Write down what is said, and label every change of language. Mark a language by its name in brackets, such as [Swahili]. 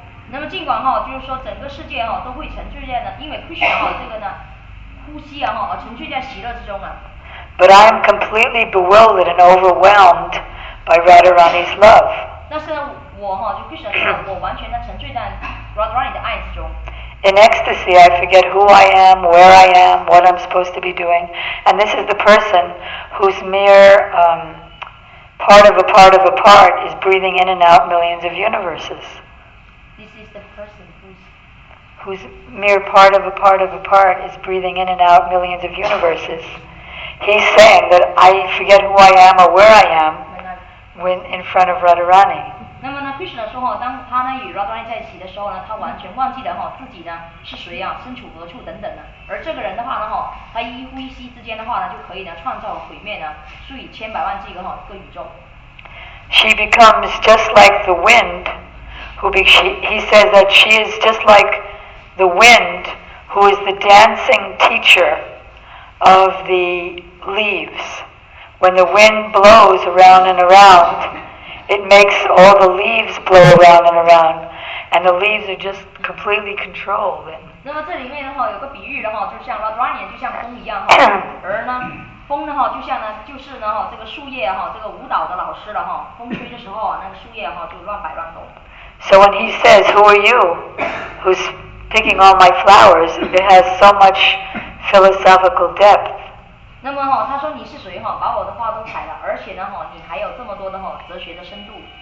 [Chinese] 那么尽管哈，就是说整个世界哈都会沉醉在呢，因为 Krishna 哈这个呢呼吸啊哈，沉醉在喜乐之中啊。 [English] But I am completely bewildered and overwhelmed by Radharani's love. [Chinese] 但是呢，我哈就 Krishna 说，我完全的沉醉在 Radharani 的爱之中。 [English] In ecstasy, I forget who I am, where I am, what I'm supposed to be doing. And this is the person whose mere part of a part of a part is breathing in and out millions of universes. This is the person whose mere part of a part of a part is breathing in and out millions of universes. He's saying that I forget who I am or where I am when in front of Radharani. [Chinese] 那么呢 ，Krishna 说哈，当他呢与 Radharani 在一起的时候呢，他完全忘记了哈自己呢是谁啊，身处何处等等的。而这个人的话呢哈，他一呼一吸之间的话呢，就可以呢创造毁灭呢数以千百万计个哈个宇宙。 [English] She becomes just like the wind, who be she. He says that she is just like the wind, who is the dancing teacher of the leaves. When the wind blows around and around. It makes all the leaves blow around and around, and the leaves are just completely controlled. [Chinese] 那么这里面的话有个比喻的话，就像 Radharani 就像风一样哈，而呢，风的话就像呢，就是呢哈，这个树叶哈，这个舞蹈的老师了哈，风吹的时候啊，那个树叶哈就乱摆乱动。 [English] So when he says, "Who are you, who's picking all my flowers?" It has so much philosophical depth. [Chinese] 那么哈，他说你是谁哈，把我的花都采了，而且呢哈，你还有这么多的哈哲学的深度。